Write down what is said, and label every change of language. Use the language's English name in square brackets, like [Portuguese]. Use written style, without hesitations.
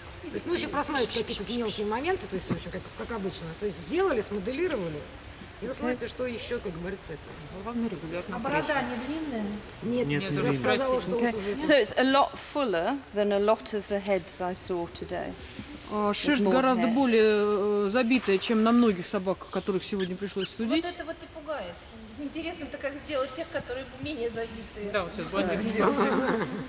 [Russian] То есть, ну, еще просматривать какие-то мелкие моменты, то есть, в общем, как обычно. То есть сделали, смоделировали. И посмотрите, что еще, как говорится, это. А борода не длинная? Нет, я сказала, что okay. Вот уже. [English] So it's a lot fuller than a lot of the heads I saw today. [Russian] Шерсть гораздо более забитая, чем на многих собаках, которых сегодня пришлось судить. Вот это вот и пугает. Интересно, ты как сделать тех, которые менее забитые? Да, вот сейчас блондинка